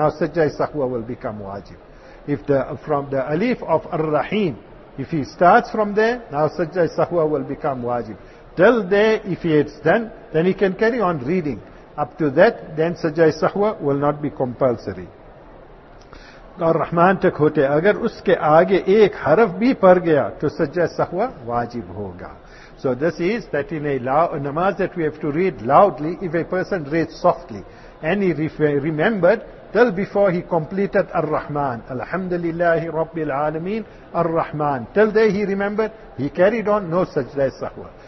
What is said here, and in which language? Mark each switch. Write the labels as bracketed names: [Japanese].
[English] Now sajda-e sahwa will become wajib. If the from the alif of ar-Rahim, if he starts from there, now sajda-e sahwa will become wajib. Till there, if he has done, then he can carry on reading. Up to that, then sajda-e sahwa will not be compulsory. [Urdu] اور رحمان تک ہوتے اگر اس کے آگے ایک حرف بھی پر گیا تو سجدہ سہوہ واجب ہوگا. [English] So this is that in a namaz that we have to read loudly, if a person reads softly and he remembered till before he completed [Arabic] الرحمن الحمدللہ رب العالمین الرحمن, [English] till day he remembered, he carried on, no سجدہ سہوہ.